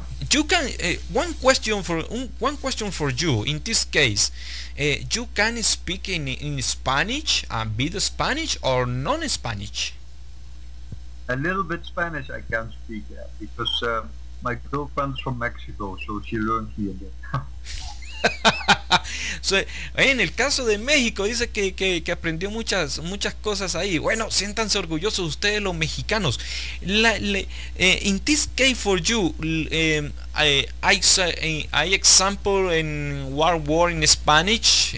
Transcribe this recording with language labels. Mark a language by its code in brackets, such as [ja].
[en] You can one question for you in this case. You can speak in Spanish and be the Spanish or non-Spanish. A little bit Spanish I can speak, yeah, because my girlfriend's from Mexico, so she learned here and there. [es] So, en el caso de México, dice que aprendió muchas cosas ahí. Bueno, siéntanse orgullosos ustedes los mexicanos. [en] In this case for you, I example in one word in Spanish.